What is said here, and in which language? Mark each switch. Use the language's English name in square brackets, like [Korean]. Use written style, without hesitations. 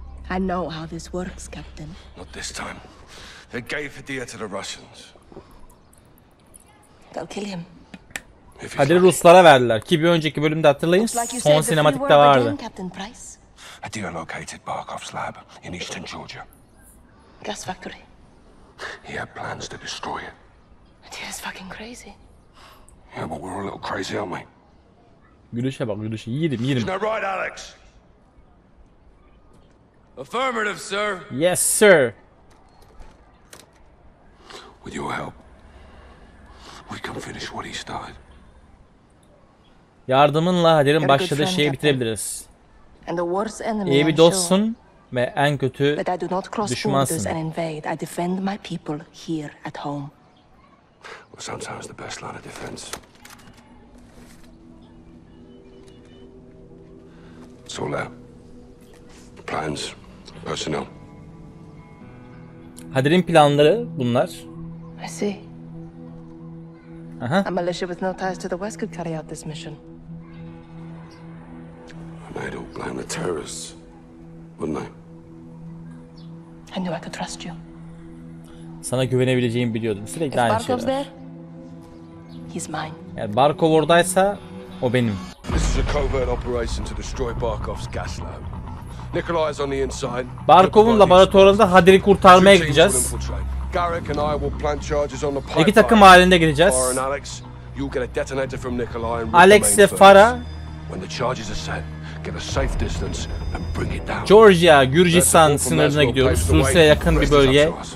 [English] I know how this works, Captain. Not this time. They gave Hadiya to the Russians. They'll kill him. [Turkish] Hadiya Ruslara verdiler ki bir önceki bölümde hatırlayın son sinematikte vardı. [English] Hadiya located Barkov's lab in eastern Georgia. Gas factory. He had plans to destroy it. Hadiya's fucking crazy. Yeah, but we're a little crazy, aren't we? [Turkish] Gülüşe bak gülüşe. Yiyelim. [English] Isn't that right, Alex? Affirmative, sir. Yes, sir. With your help, we can finish what he started. [Turkish] Yardımınla Hadir'in başladığı şeyi bitirebiliriz. İyi bir dostsun ve en kötü düşmansın. [English] And invade. I defend my people here at home. Well, sometimes the best line of defense. It's all there. Plans, personnel. [Turkish] Hadir'in planları bunlar. [English] I see. A militia with no ties to the West could carry out this mission. And they'd all blame the terrorists, wouldn't they? I knew I could trust you. [Turkish] Sana güvenebileceğimi biliyordum. Sürekli aynı şeyler. [English] If Barkov's there, he's mine. [Turkish] Eğer Barkov oradaysa, o benim. [English] This is a covert operation to destroy Barkov's gas lab. Nikolai's on the inside. [Turkish] Barkov'un laboratuvarında Hadir'i kurtarmaya gideceğiz. [English] Garrick and I will plant charges on the pipe. [Turkish] İki takım halinde gireceğiz. [English] Alex, you'll get a detonator from Nikolai and [Turkish] Alex ve Farah. [English] When the charges are set, get a safe distance and bring it down. [Turkish] Georgia, Gürcistan sınırına gidiyoruz. Rusya'ya yakın bir bölge.